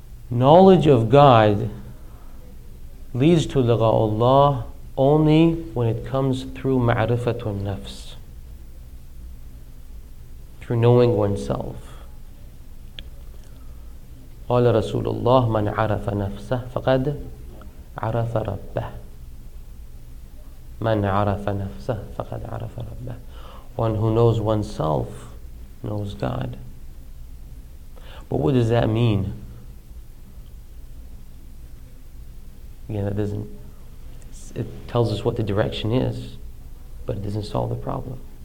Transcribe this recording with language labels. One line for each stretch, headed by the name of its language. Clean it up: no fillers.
English: Knowledge of God leads to Lughullah only when it comes through ma'rifatun nafs, through knowing oneself.
Arabic: قال رسول الله من عرف نفسه فقد عرف ربه. من عرف نفسه فقد عرف ربه.
English: One who knows oneself knows God. But what does that mean? Again, it doesn't, it tells us what the direction is, but it doesn't solve the problem.